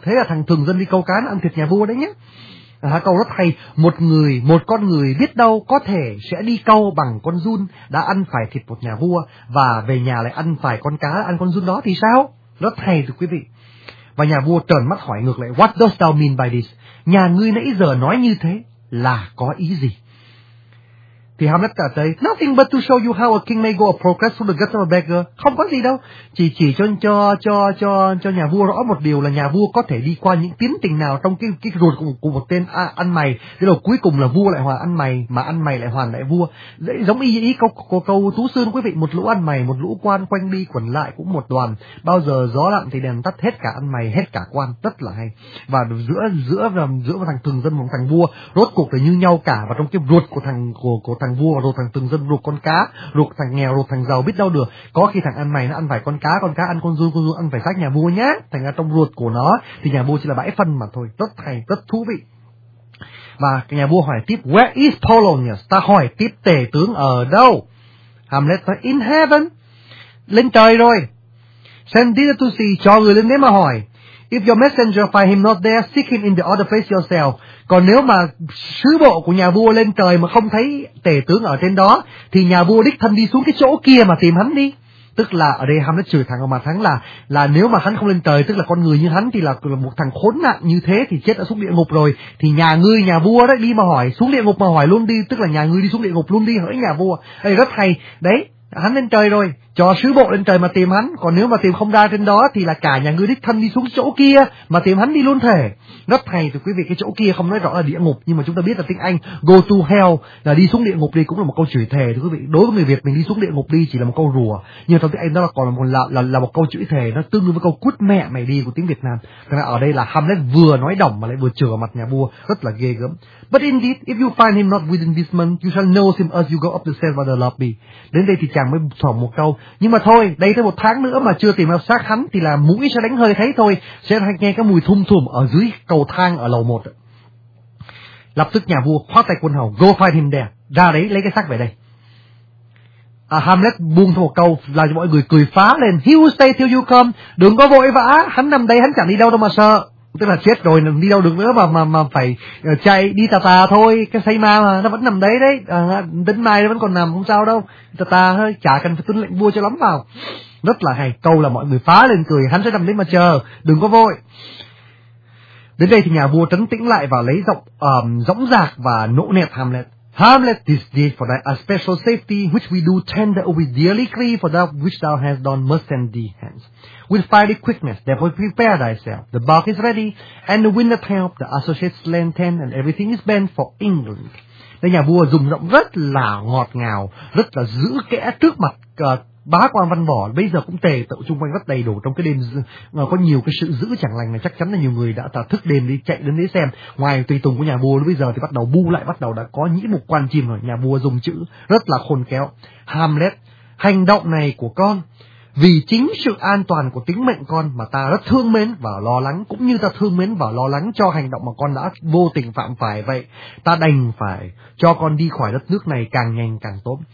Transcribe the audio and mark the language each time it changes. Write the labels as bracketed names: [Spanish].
[Vietnamese] Thế là thằng thường dân đi câu cá nó ăn thịt nhà vua đấy nhá. Câu rất hay, một con người biết đâu có thể sẽ đi câu bằng con giun đã ăn phải thịt một nhà vua và về nhà lại ăn phải con cá ăn con giun đó thì sao? Rất hay thưa quý vị. Và nhà vua trợn mắt hỏi ngược lại, [English] what dost thou mean by this? [Vietnamese] Nhà ngươi nãy giờ nói như thế là có ý gì? thì Hamlet trả lời, [English] nothing but to show you how a king may go a progress through the guts of a beggar. [Vietnamese] Không có gì đâu, chỉ cho nhà vua rõ một điều là nhà vua có thể đi qua những tiến tình nào trong cái ruột của một tên ăn mày, thế rồi cuối cùng là vua lại hoàn ăn mày, mà ăn mày lại hoàn lại vua. Đấy, giống y ý câu Tú Xương quý vị, một lũ ăn mày, một lũ quan quanh đi quẩn lại cũng một đoàn, bao giờ gió lặng thì đèn tắt, hết cả ăn mày, hết cả quan, rất là hay. Và giữa thằng thường dân một thằng vua, rốt cuộc là như nhau cả, và trong cái ruột của thằng vua, ruột thằng thường dân, ruột con cá, ruột thằng nghèo, ruột thằng giàu, biết đâu được, có khi thằng ăn mày nó ăn phải con cá ăn con run ăn phải xác nhà vua nhá, thành ra trong ruột của nó thì nhà vua chỉ là bãi phân mà thôi, rất hay, rất thú vị. Và nhà vua hỏi tiếp, [English] where is Polonius, [Vietnamese] ta hỏi tiếp tể tướng ở đâu. Hamlet nói, [English] in heaven, [Vietnamese] lên trời rồi. [English] Send it to see, [Vietnamese] cho người lên đấy mà hỏi. [English] If your messenger find him not there, seek him in the other place yourself. [Vietnamese] Còn nếu mà sứ bộ của nhà vua lên trời mà không thấy tể tướng ở trên đó, thì nhà vua đích thân đi xuống cái chỗ kia mà tìm hắn đi. Tức là ở đây Hamlet chửi thẳng vào mặt hắn là nếu mà hắn không lên trời, tức là con người như hắn thì là một thằng khốn nạn như thế thì chết ở xuống địa ngục rồi. Thì nhà ngươi, nhà vua đấy, đi mà hỏi, xuống địa ngục mà hỏi luôn đi, tức là nhà ngươi đi xuống địa ngục luôn đi, hỡi nhà vua. Đây rất hay, đấy. Hắn lên trời rồi, cho sứ bộ lên trời mà tìm hắn, còn nếu mà tìm không ra trên đó thì là cả nhà ngươi đích thân đi xuống chỗ kia mà tìm hắn đi luôn thể. Rất hay thì quý vị, cái chỗ kia không nói rõ là địa ngục, nhưng mà chúng ta biết là tiếng Anh [English] go to hell [Vietnamese] là đi xuống địa ngục đi, cũng là một câu chửi thề thưa quý vị. Đối với người Việt mình đi xuống địa ngục đi chỉ là một câu rùa, nhưng trong tiếng Anh đó là còn là một câu chửi thề, nó tương đương với câu cút mẹ mày đi của tiếng Việt Nam. Thế nên ở đây là Hamlet vừa nói đỏng mà lại vừa chửi mặt nhà vua, rất là ghê gớm. [English] But indeed, if you find him not within this month, you shall know him as you go up the stairs by the lobby. [Vietnamese] Đến đây thì chàng mới thỏ một câu, nhưng mà thôi, đây tới một tháng nữa mà chưa tìm được xác hắn thì là mũi sẽ đánh hơi thấy thôi, sẽ nghe cái mùi thum thùm ở dưới cầu thang ở lầu 1. Lập tức nhà vua khoát tay quân hầu, [English] go find him there, [Vietnamese] ra đấy lấy cái xác về đây. Hamlet buông thổ câu là cho mọi người cười phá lên, [English] he will stay till you come, [Vietnamese] đừng có vội vã, hắn nằm đây hắn chẳng đi đâu đâu mà sợ. Tức là chết rồi đi đâu được nữa mà phải chạy đi tà tà thôi, cái say ma mà nó vẫn nằm đấy đấy, đến mai nó vẫn còn nằm không sao đâu, tà tà thôi, chả cần phải tuân lệnh vua cho lắm vào. Rất là hay, câu là mọi người phá lên cười, hắn sẽ nằm đấy mà chờ, đừng có vội. Đến đây thì nhà vua trấn tĩnh lại và lấy giọng dõng dạc và nỗ nẹt Hamlet. [English] Hamlet, this deed for thy special safety, which we do tender we dearly crave for that which thou hast done, must send thee hence. With fiery quickness, therefore prepare thyself. The bark is ready, and the wind at help, the associates land ten, and everything is bent for England. [Vietnamese] Đây nhà vua dùng giọng rất là ngọt ngào, rất là giữ kẽ trước mặt bá quan văn võ, bây giờ cũng tề tựu chung quanh rất đầy đủ trong cái đêm có nhiều cái sự giữ chẳng lành này, chắc chắn là nhiều người đã thức đêm đi chạy đến đấy xem. Ngoài tùy tùng của nhà vua bây giờ thì bắt đầu bu lại, bắt đầu đã có nhĩ mục quan chim rồi. Nhà vua dùng chữ rất là khôn khéo, Hamlet, hành động này của con vì chính sự an toàn của tính mệnh con mà ta rất thương mến và lo lắng, cũng như ta thương mến và lo lắng cho hành động mà con đã vô tình phạm phải, vậy ta đành phải cho con đi khỏi đất nước này càng nhanh càng tốt.